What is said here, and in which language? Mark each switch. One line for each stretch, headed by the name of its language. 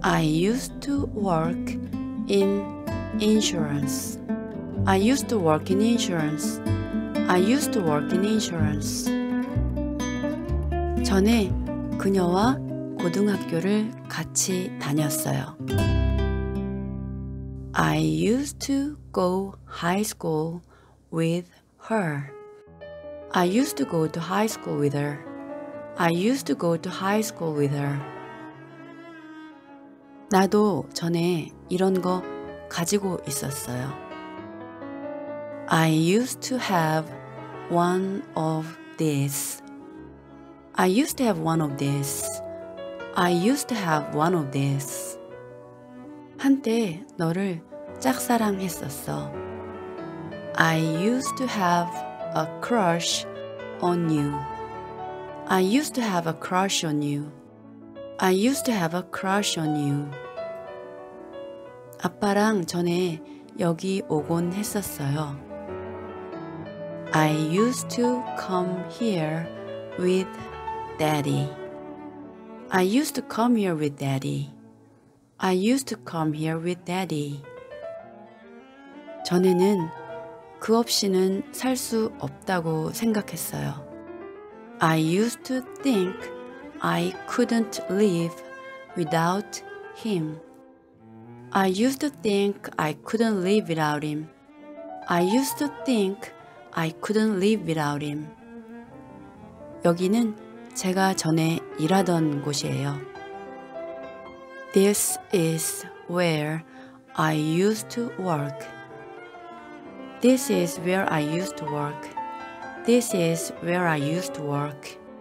English: I used to work in insurance. I used to work in insurance. I used to work in insurance.
Korean: 전에 그녀와 고등학교를 같이 다녔어요.
English: I used to go high school with her. I used to go to high school with her. I used to go to high school with her.
Korean: 나도 전에 이런 거 가지고 있었어요.
English: I used to have one of this. I used to have one of this. I used to have one of this.
Korean: 한때 너를 짝사랑했었어.
English: I used to have a crush on you. I used to have a crush on you. I used to have a crush on you.
Korean: 아빠랑 전에 여기 오곤 했었어요.
English: I used to come here with daddy. I used to come here with daddy. I used to come here with daddy.
Korean: 전에는 그 없이는 살 수 없다고 생각했어요.
English: I used to think I couldn't live without him. I used to think I couldn't live without him. I used to think I couldn't live without him.
Korean: 여기는 제가 전에 일하던 곳이에요.
English: This is where I used to work. This is where I used to work. This is where I used to work.